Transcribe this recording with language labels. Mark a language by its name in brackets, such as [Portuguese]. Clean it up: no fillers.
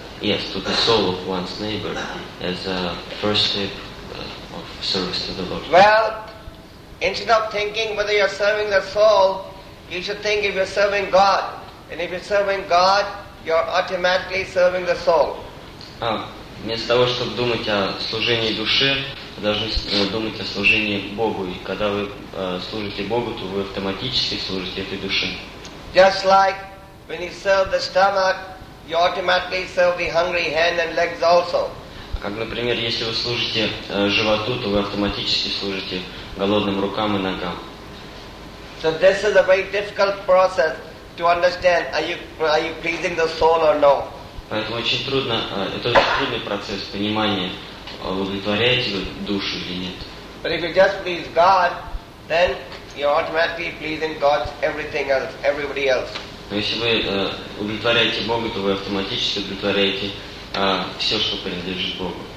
[English] Yes, to the soul of one's neighbor as a first step of service to the Lord. Well, instead of thinking whether you're serving the soul, you should think if you're serving God. And if you're serving God, you're automatically serving the soul. [Russian] Вместо того, чтобы думать о служении душе, вы должны думать о служении Богу. И когда вы служите Богу, то вы автоматически служите этой душе. [English] Just like when you serve the stomach, you automatically serve the hungry hand and legs also. [Russian] Как, например, если вы служите животу, то вы автоматически служите голодным рукам и ногам. [English] So this is a very difficult process to understand. Are you pleasing the soul or no? [Russian] Поэтому очень трудно, это очень трудный процесс понимания, удовлетворяете вы душу или нет. [English] But if you just please God, then you're automatically pleasing God's everything else, everybody else. [Russian] Но если вы удовлетворяете Бога, то вы автоматически удовлетворяете все, что принадлежит Богу.